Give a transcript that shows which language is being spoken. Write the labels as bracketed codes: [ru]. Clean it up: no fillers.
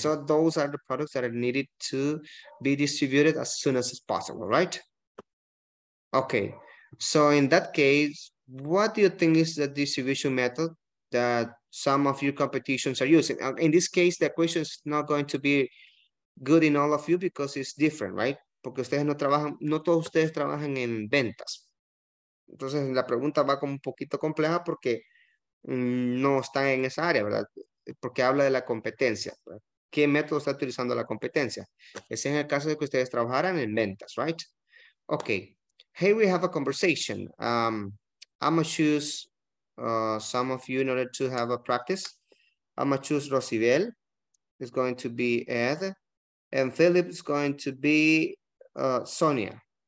[en] So those are the products that are needed to be distributed as soon as possible, right? Okay. So in that case, what do you think is the distribution method that some of your competitions are using? In this case, the question is not going to be good in all of you because it's different, right? [es] Porque ustedes no trabajan, no todos ustedes trabajan en ventas. Entonces la pregunta va como un poquito compleja porque no están en esa área, ¿verdad? Porque habla de la competencia. ¿Qué método está utilizando la competencia? Ese es en el caso de que ustedes trabajaran en ventas, right? [en] Okay. Hey, we have a conversation. I'm gonna choose some of you in order to have a practice. I'm gonna choose Rosibel. It's going to be Ed. And Philip is going to be Sonia.